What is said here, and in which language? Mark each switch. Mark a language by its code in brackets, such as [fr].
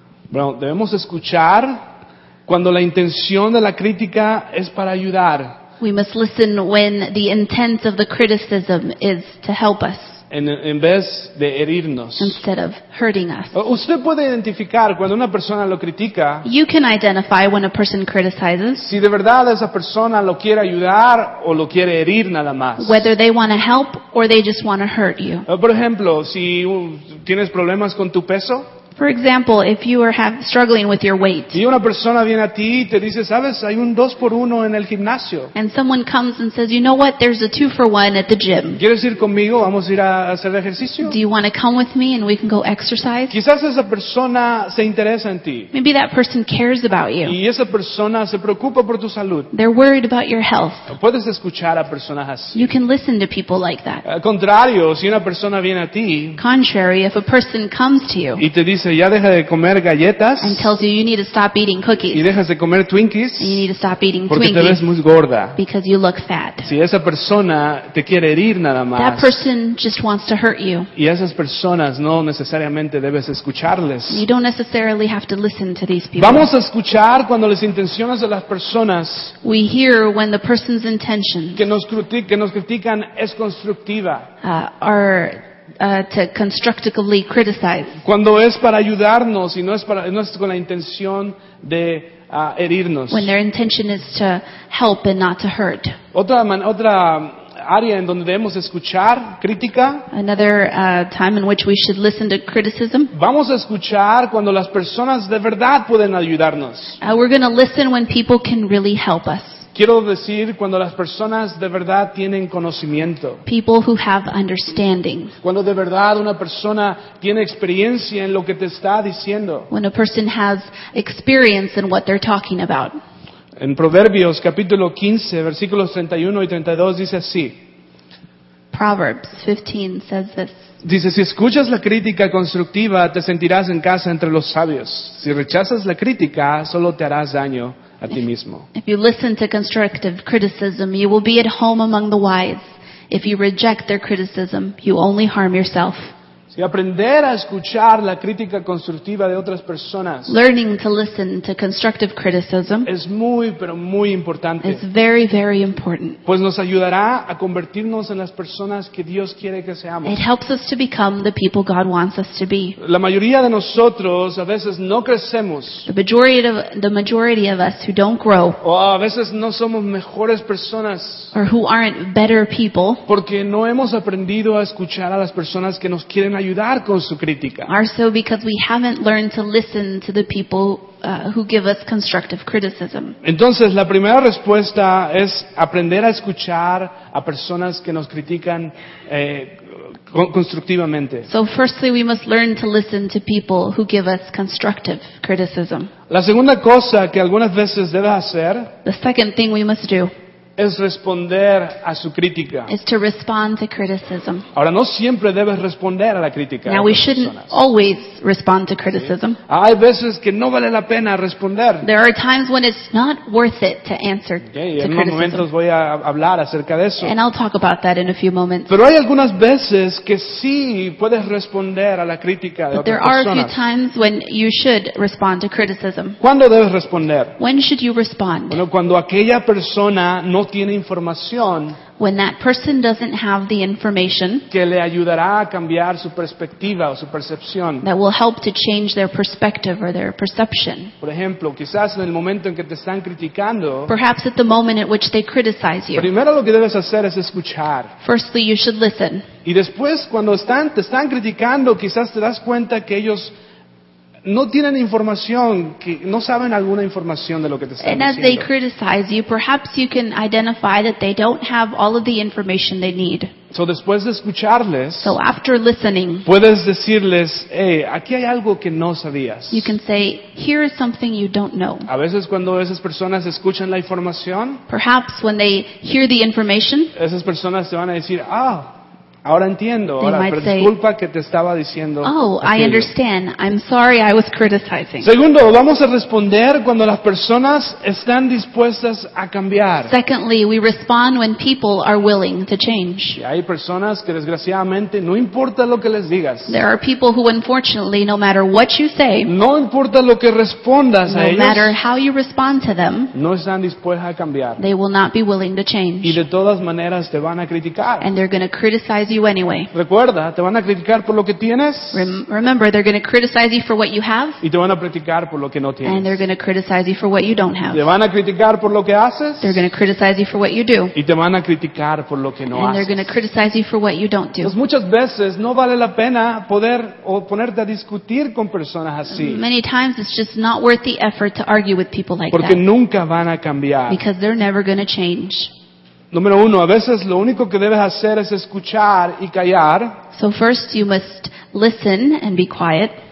[es] Bueno, debemos escuchar cuando la intención de la crítica es para ayudar. [en] We must listen when the intent of the criticism is to help us. [es] En vez de herirnos. [en] Instead of hurting us. [es] Usted puede identificar cuando una persona lo critica. [en] You can identify when a person criticizes. [es] Si de verdad esa persona lo quiere ayudar o lo quiere herir nada más. [en] Whether they want to help or they just want to hurt you. [es] Por ejemplo, si tienes problemas con tu peso. [en] For example, if you are struggling with your weight. [es] Y una persona viene a ti y te dice, ¿sabes? Hay un 2x1 en el gimnasio. [en] And someone comes and says, you know what? There's a 2x1 at the gym. [es] ¿Quieres ir conmigo? Vamos a ir a hacer ejercicio. [en] Do you want to come with me and we can go exercise? [es] Quizás esa persona se interesa en ti. [en] Maybe that person cares about you. [es] Y esa persona se preocupa por tu salud. [en] They're worried about your health. [es] Puedes escuchar a personas así. [en] You can listen to people like that. [es] Al contrario, si una persona viene a ti. [en] Contrary, if a person comes to you. [es] Y te dice, ya deja de comer galletas. [en] And tells you need to stop eating cookies. [es] Y dejas de comer Twinkies. [en] And you need to stop eating [es] porque [en] Twinkies. [es] Porque te ves muy gorda. [en] Because you look fat. [es] Si esa persona te quiere herir nada más. [en] That person just wants to hurt you. [es] Y esas personas no necesariamente debes escucharles. [en] You don't necessarily have to listen to these people. [es] Vamos a escuchar cuando las intenciones de las personas. [en] We hear when the person's intentions. [es] Que nos critican es constructiva. [en] To constructively criticize. [es] Cuando es para ayudarnos y no es con la intención de herirnos. [en] When their intention is to help and not to hurt. [es] Otra área en donde debemos escuchar crítica. [en] Another time in which we should listen to criticism. [es] Vamos a escuchar cuando las personas de verdad pueden ayudarnos. [en] We're going to listen when people can really help us. [es] Quiero decir cuando las personas de verdad tienen conocimiento. [en] People who have understanding. [es] Cuando de verdad una persona tiene experiencia en lo que te está diciendo. [en] When a person has experience in what they're talking about. [es] En Proverbios capítulo 15 versículos 31 y 32 dice así. [en] Proverbs 15 says this. [es] Dice, si escuchas la crítica constructiva, te sentirás en casa entre los sabios. Si rechazas la crítica, solo te harás daño. [en] If you listen to constructive criticism, you will be at home among the wise. If you reject their criticism, you only harm yourself. [es] Si aprender a escuchar la crítica constructiva de otras personas. [en] Learning to listen to constructive criticism. [es] Es muy, pero muy importante. [en] It's very, very important. [es] Pues nos ayudará a convertirnos en las personas que Dios quiere que seamos. [en] It helps us to become the people God wants us to be. [es] La mayoría de nosotros a veces no crecemos. [en] The majority of us who don't grow. [es] O a veces no somos mejores personas. [en] Or who aren't better people. [es] Porque no hemos aprendido a escuchar a las personas que nos quieren ayudar con su crítica. [en] Or so because we haven't learned to listen to the people who give us constructive criticism. [es] Entonces, la primera respuesta es aprender a escuchar a personas que nos critican constructivamente. [en] So firstly, we must learn to listen to people who give us constructive criticism. [es] La segunda cosa que algunas veces debes hacer, [en] the second thing we must do, [es] es responder a su crítica. [en] Is to respond to criticism. [es] Ahora, no siempre debes responder a la crítica. [en] Now, we shouldn't always respond to criticism. [es] Sí. Hay veces que no vale la pena responder. [en] There are times when it's not worth it to answer to criticism. [es] En unos momentos voy a hablar acerca de eso. [en] And I'll talk about that in a few moments. [es] Pero hay algunas veces que sí puedes responder a la crítica de otras personas. [en] But there are a few times when you should respond to criticism. [es] ¿Cuándo debes responder? [en] When should you respond? [es] Bueno, cuando aquella persona no tiene información. [en] When that person doesn't have the information [es] que le ayudará a cambiar su perspectiva o su percepción. [en] That will help to change their perspective or their perception. [es] Por ejemplo, quizás en el momento en que te están criticando. [en] Perhaps at the moment at which they criticize you. [es] Primero lo que debes hacer es escuchar. [en] Firstly, you should listen. [es] Y después, cuando te están criticando, quizás te das cuenta que ellos no tienen información, que no saben alguna información de lo que te están diciendo. [en] And as they criticize you, perhaps you can identify that they don't have all of the information they need. So [es] después de escucharles, [en] so after listening, [es] puedes decirles, hey, aquí hay algo que no sabías. [en] You can say, here is something you don't know. [es] A veces cuando esas personas escuchan la información, [en] perhaps when they hear the information, [es] esas personas te van a decir, ah, ahora entiendo, ahora, pero disculpa que te estaba diciendo. Oh, aquello. [en] I understand. I'm sorry I was criticizing. [es] Segundo, vamos a responder cuando las personas están dispuestas a cambiar. [en] Secondly, we respond when people are willing to change. [es] Y hay personas que desgraciadamente no importa lo que les digas. [en] There are people who unfortunately no matter what you say. [es] No importa lo que respondas no a ellos. [en] No matter how you respond to them. [es] No están dispuestas a cambiar. [en] They will not be willing to change. [es] Y de todas maneras te van a criticar. [en] And they're going to criticize you anyway. [es] Recuerda, te van a criticar por lo que tienes. [en] Remember, they're going to criticize you for what you have. [es] Y te van a criticar por lo que no tienes. [en] And they're going to criticize you for what you don't have. [es] Te van a criticar por lo que haces. [en] They're going to criticize you for what you do. [es] Y te van a criticar por lo que no haces. [en] And they're going to criticize you for what you don't do. [es] Pues muchas veces no vale la pena poder o ponerte a discutir con personas así. [en] Many times it's just not worth the effort to argue with people like [es] porque Porque nunca van a cambiar. [en] Because they're never going to change. [es] Número uno, a veces lo único que debes hacer es escuchar y callar. [en] So first you must listen and be quiet.